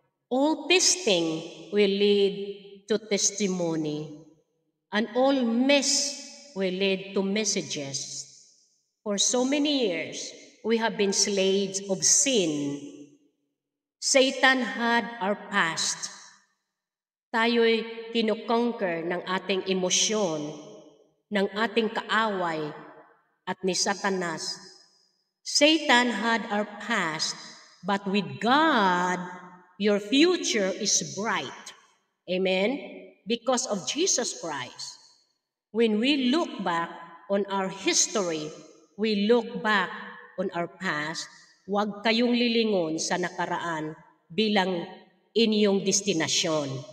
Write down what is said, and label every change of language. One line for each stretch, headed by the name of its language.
English: All testing will lead to testimony. And all mess will lead to messages. For so many years, we have been slaves of sin. Satan had our past.
Filipino: Tayo'y kinukonquer ng ating emosyon, ng ating kaaway, at ni Satanas.
English: Satan had our past, but with God, your future is bright. Amen? Because of Jesus Christ. When we look back on our history, we look back on our past,
Filipino: huwag kayong lilingon sa nakaraan bilang inyong destinasyon.